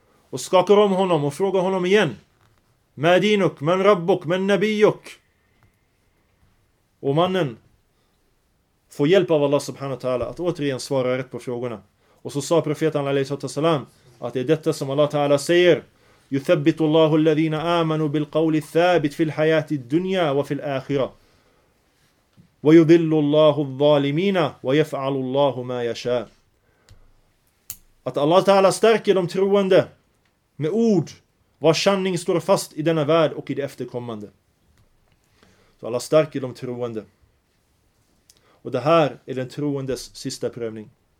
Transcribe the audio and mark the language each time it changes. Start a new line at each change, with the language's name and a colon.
Swedish: Och skakar om honom och frågar honom igen:
Arabic: Madinuk, men Rabbuk, men Nabiuk.
Swedish: Och mannen får hjälp av Allah subhanahu wa ta'ala att återigen svara rätt på frågorna. Och så sa profeten alayhi salam att det är detta som Allah ta'ala säger:
Arabic: يثبت الله الذين آمنوا بالقول الثابت في الحياة الدنيا وفي الآخرة ويذل الله الظالمين ويفعل الله ما يشاء.
Swedish: Att Allah Ta'ala stärker de troende med ord vars sanning står fast i denna värld och i det efterkommande. Så Allah stärker de troende. Och det här är den troendes sista prövning.